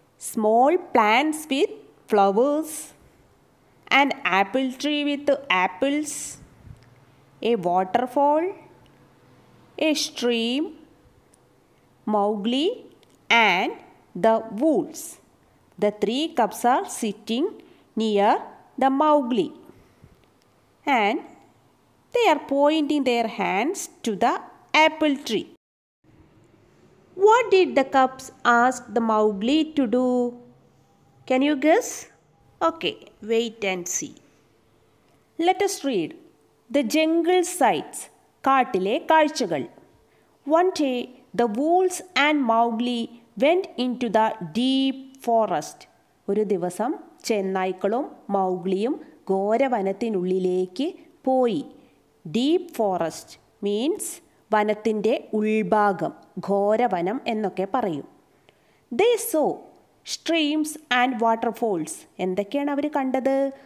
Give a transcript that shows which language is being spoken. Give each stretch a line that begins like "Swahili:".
English: Small plants with flowers, and apple tree with apples, a waterfall, a stream, Mowgli and the wolves. The three cubs are sitting near the Mowgli and they are pointing their hands to the apple tree. What did the cubs ask the Mowgli to do? Can you guess? Okay, wait and see. Let us read The Jungle Sights.
Malayalam: Kaattile kaazhchagal.
English: One day the wolves and Mowgli went into the deep forest.
Malayalam: ഒരു ദിവസം ചെന്നായ്ക്കളും മൗഗ്ലിയും ഘോരവനത്തിനുള്ളിലേക്ക് പോയി.
English: deep forest means
Malayalam: വനത്തിൻ്റെ ഉൾഭാഗം, ഘോരവനം എന്നൊക്കെ പറയും.
English: They saw streams and waterfalls.
Malayalam: എന്തൊക്കെയാണ് അവർ കണ്ടത്?